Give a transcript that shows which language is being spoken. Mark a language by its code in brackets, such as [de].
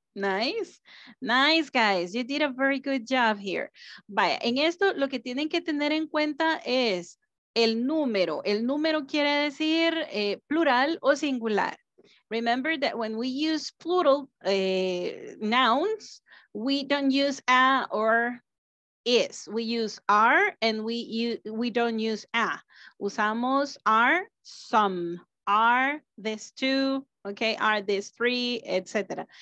[en] Nice, guys, you did a very good job here. [es] Vaya, en esto lo que tienen que tener en cuenta es el número quiere decir plural o singular. [en] Remember that when we use plural nouns, we don't use a or is. We use are and we don't use a. [es] Usamos are some, are these two, okay, are these three, etc.